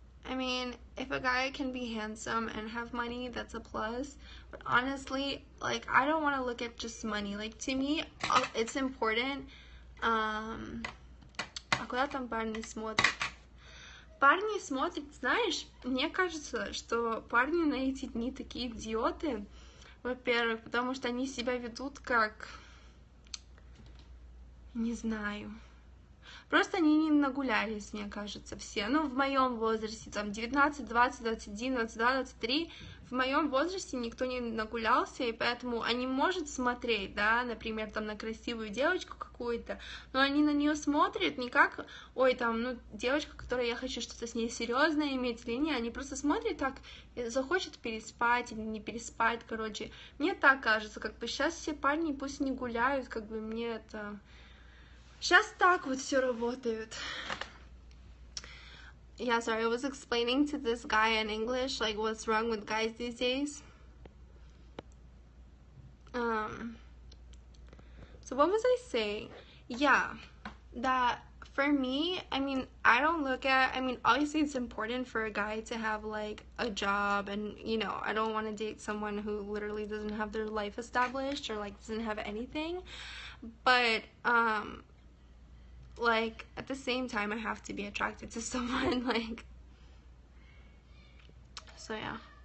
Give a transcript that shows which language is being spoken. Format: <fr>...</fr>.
<en>I mean, if a guy can be handsome and have money, that's a plus. But honestly, like, I don't want to look at just money. Like, to me, it's important. A</en> <ru>куда там парни смотрят? Парни смотрят, знаешь, мне кажется, что парни на эти дни такие идиоты, во-первых, потому что они себя ведут как... Не знаю. Просто они не нагулялись, мне кажется, все. Ну, в моем возрасте, там, 19, 20, 21, 22, 23, в моем возрасте никто не нагулялся, и поэтому они, может, смотреть, да, например, там, на красивую девочку какую-то, но они на нее смотрят не как, ой, там, ну, девочка, которая, я хочу что-то с ней серьезное иметь или нет, они просто смотрят так, захочет переспать или не переспать, короче. Мне так кажется, как бы сейчас все парни пусть не гуляют, как бы мне это... Сейчас так вот все работает.</ru> <en>Yeah, sorry, I was explaining to this guy in English, like, what's wrong with guys these days. So what was I saying? Yeah, that for me, I mean, I don't look at, I mean, obviously it's important for a guy to have, like, a job, and, you know, I don't want to date someone who literally doesn't have their life established or, like, doesn't have anything, but, like, at the same time, I have to be attracted to someone, like, so, yeah.</en>